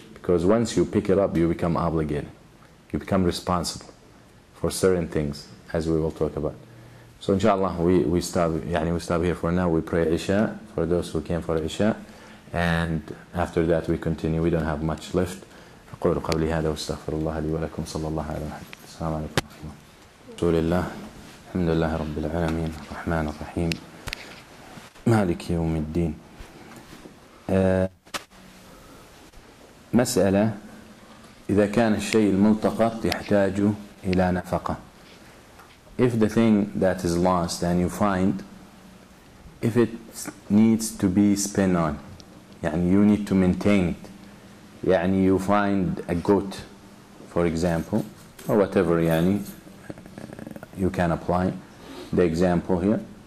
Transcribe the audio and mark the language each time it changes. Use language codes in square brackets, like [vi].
[en] Because once you pick it up, you become obligated. You become responsible for certain things, as we will talk about. So inshallah, we stop here for now. We pray Isha for those who came for Isha. And after that, we continue. We don't have much left. [ar] أَقُولُ قَبْلِ هَذَا وَاسْتَغْفِرُ اللَّهَ لِي وَلَكُمْ صَلَى اللَّهَ عَلَى مُحَمَّدٍ. السلام عليكم ورحمة الله. رسول الله. الحمد لله رب العالمين الرحمن الرحيم مالك يوم الدين. مسألة إذا كان الشيء الملتقط يحتاج إلى نفقة. [en] If the thing that is lost and you find, if it needs to be spent on, يعني you need to maintain it. يعني you find a goat, for example, or whatever يعني you can apply the example here.